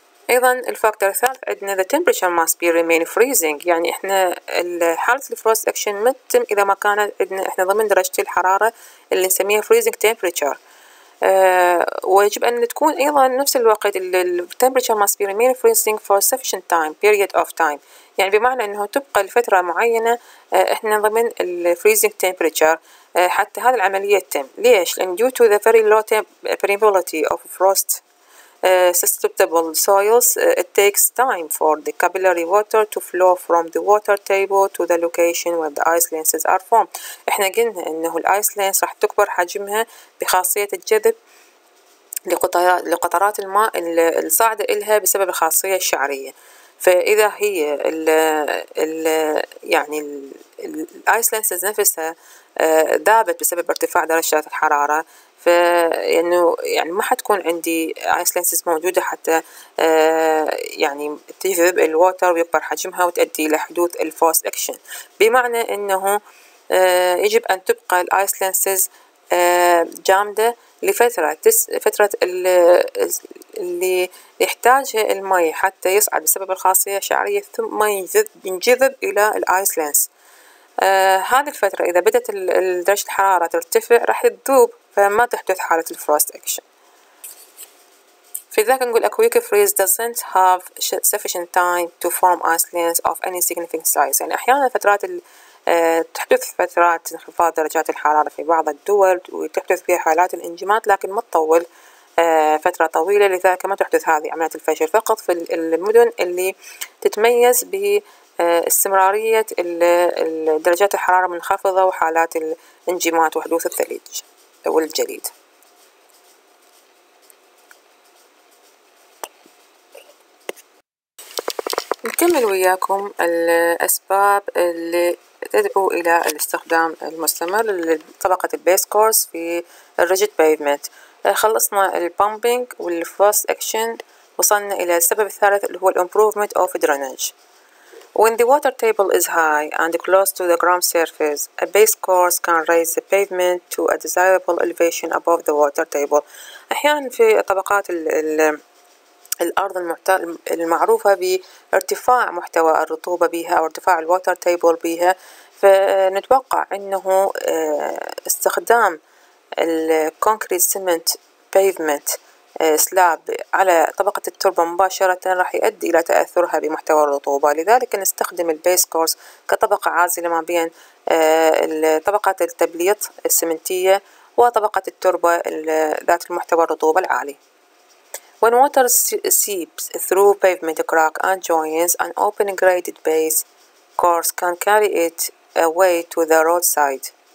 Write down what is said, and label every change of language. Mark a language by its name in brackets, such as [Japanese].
[Arabic] أيضا الفاكتور الثالث عندنا [English] the temperature must be remain freezing، [Arabic] يعني إحنا حالة الفروست action ما تتم إذا ما كانت إحنا ضمن درجة الحرارة اللي نسميها [English] freezing temperature. [Arabic] ويجب أن تكون أيضا نفس الوقت الـ [English] temperature must be remain freezing for sufficient time period of time، [Arabic] يعني بمعنى أنه تبقى لفترة معينة إحنا ضمن الـ [English] freezing temperature [Arabic] حتى هذه العملية تتم. ليش؟ لأن [English] due to the very low permeability of frost susceptible soils it takes time for the capillary water to flow from the water table to the location where the ice lenses are formed. [Arabic] احنا قلنا انه الايس لينس راح تكبر حجمها بخاصية الجذب لقطرات الماء الصاعدة إلها بسبب الخاصية الشعرية، فاذا هي الـ يعني الايس لينس نفسها ذابت بسبب ارتفاع درجات الحرارة يعني يعني ما حتكون عندي ايس لينسز موجوده حتى يعني تجذب الووتر ويكبر حجمها وتؤدي الى حدوث الفوس اكشن، بمعنى انه يجب ان تبقى الايس لينسز جامده لفتره اللي يحتاجها الماء حتى يصعد بسبب الخاصيه الشعريه ثم ينجذب الى الايس لينس. هذه الفترة إذا بدأت درجة الحرارة ترتفع راح تذوب فما تحدث حالة الفروست أكشن. في ذلك نقول [English] A quick freeze doesn't have sufficient time to form ice lanes of any significant size. [Arabic] يعني أحيانا فترات تحدث فترات انخفاض درجات الحرارة في بعض الدول وتحدث فيها حالات الانجماد لكن ما تطول فترة طويلة، لذلك ما تحدث هذه عملية الفشل فقط في المدن اللي تتميز ب استمرارية درجات الحرارة منخفضة وحالات الانجماد وحدوث الثلج والجليد. نكمل وياكم الأسباب اللي تدعو إلى الاستخدام المستمر لطبقة البيس كورس في الريجيد بايفمنت. خلصنا البامبينج والفاست أكشن، وصلنا إلى السبب الثالث اللي هو الامبروفمنت أوف درينج. [English] When the water table is high and close to the ground surface, a base course can raise the pavement to a desirable elevation above the water table. [Arabic] أحيانا في طبقات الأرض المعروفة بارتفاع محتوى الرطوبة بها أو ارتفاع الواتر تيبل بها، فنتوقع أنه استخدام الكونكريت سيمنت بيفمنت سلاب على طبقة التربة مباشرة راح يؤدي إلى تأثرها بمحتوى الرطوبة، لذلك نستخدم البيس كورس كطبقة عازلة ما بين طبقة التبليط السمنتية وطبقة التربة ذات المحتوى الرطوبة العالي. [English] When water seeps through pavement crack and joins, an open graded base course can carry it away to the roadside.